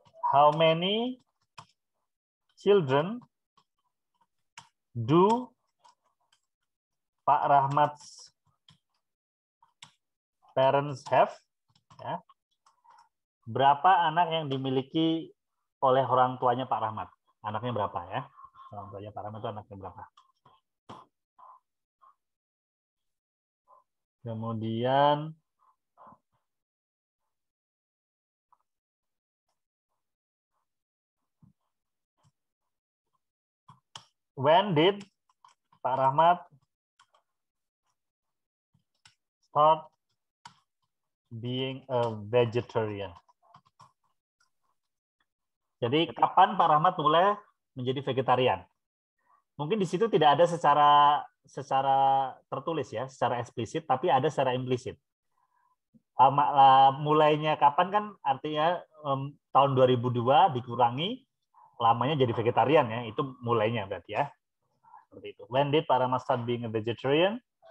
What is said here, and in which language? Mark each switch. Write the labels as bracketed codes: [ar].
[en] How many children do Pak Rahmat's parents have, ya. [id] Berapa anak yang dimiliki oleh orang tuanya Pak Rahmat? Anaknya berapa ya? Orang tuanya Pak Rahmat itu anaknya berapa? Kemudian [en] when did Pak Rahmat start being a vegetarian? [id] Jadi kapan Pak Rahmat mulai menjadi vegetarian? Mungkin di situ tidak ada secara tertulis ya, secara eksplisit, tapi ada secara implisit. Mulainya kapan kan artinya tahun 2002 dikurangi lamanya jadi vegetarian ya, itu mulainya berarti ya. Seperti itu. [en] When did Pak Rahmat start being a vegetarian?